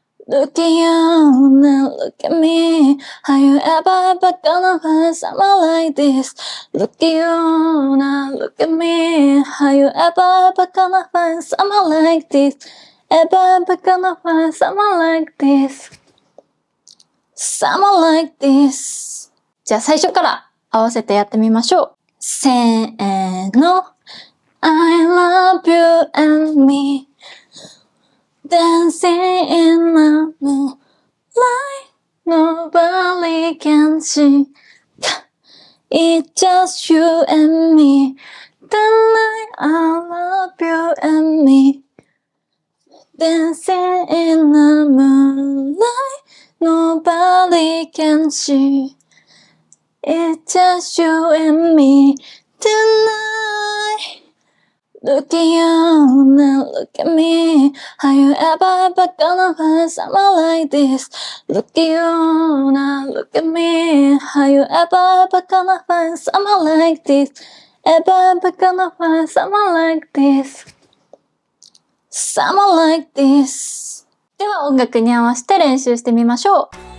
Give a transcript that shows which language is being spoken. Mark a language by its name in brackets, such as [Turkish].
[English] Look at you, now look at me. Have you ever, ever gonna find someone like this? Look at you, now look at me. Have you ever, ever gonna find someone like this? Ever, ever gonna find someone like this? Someone like this. [Japanese] じゃあ最初から合わせてやってみましょう。せーの。 [English] I love you and me. Dancing in the moonlight, nobody can see. It's just you and me. Tonight I love you and me. Dancing in the moonlight, nobody can see. It's just you and me. Tonight. Look at you, now look at me. Have you ever, ever gonna find someone like this? Look at you, now look at me. Have you ever, ever gonna find someone like this? Ever, ever gonna find someone like this? Someone like this. [Japanese] では音楽に合わせて練習してみましょう。